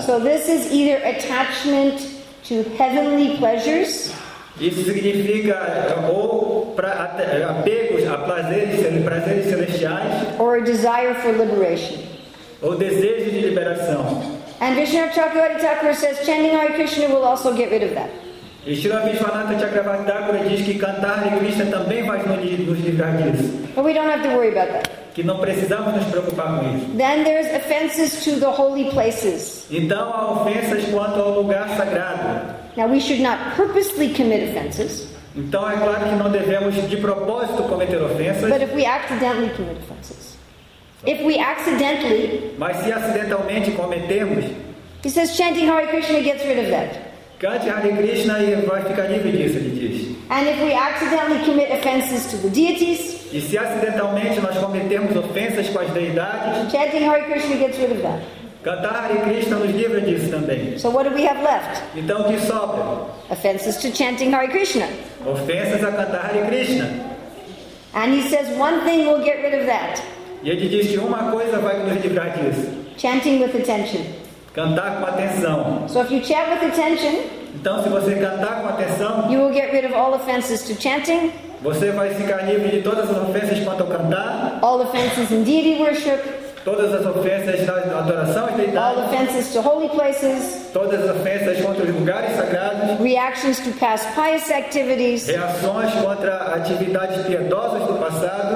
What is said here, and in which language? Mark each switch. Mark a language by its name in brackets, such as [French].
[English] So this is either attachment to heavenly pleasures. [Portuguese] Isso significa ou apegos a prazeres celestiais. [English] Or a desire for liberation. [Portuguese] Ou desejo de liberação. [English] And Vishnu Chakravarti Thakura says, chanting Hare Krishna will also get rid of that. [Portuguese] E Srila Vishvanatha Chakravarti Thakura diz que cantar Hare Krishna também vai nos livrar disso. [English] But we don't have to worry about that. [Portuguese] Que não precisamos nos preocupar com isso. [English] Then there's offenses to the holy places. [Portuguese] Então há ofensas quanto ao lugar sagrado. [English] Now we should not purposely commit offenses. [Portuguese] Então é claro que não devemos de propósito cometer ofensas. [English] But if we accidentally commit offenses. If we accidentally. [Portuguese] Mas se acidentalmente cometemos. [English] He says chanting Hare Krishna gets rid of that. [Portuguese] Cante Hare Krishna e vai ficar livre disso, ele diz. [English] And if we accidentally commit offenses to the deities. [Portuguese] E se acidentalmente nós cometemos ofensas com as deidades. [English] Chanting Hare Krishna gets rid of that. [Portuguese] Cantar Hare Krishna nos livra disso também. [English] So what do we have left? [Portuguese] Então o que sobra? [English] Offenses to chanting Hare Krishna. [Portuguese] Ofensas a cantar Hare Krishna. [English] And he says one thing will get rid of that. [Portuguese] E ele diz que uma coisa vai nos livrar disso. [English] Chanting with attention. [Portuguese] Cantar com atenção. [English] So if you chant with attention, [Portuguese] então se você cantar com atenção, [English] you will get rid of all offenses to chanting. [Portuguese] Você vai ficar livre de todas as ofensas quanto ao cantar. [English] All offenses in deity worship. [Portuguese] Todas as ofensas da adoração e deidade. [English] All offenses to holy places. [Portuguese] Todas as ofensas contra os lugares sagrados. [English] Reactions to past pious activities. [Portuguese] Reações contra atividades piedosas do passado.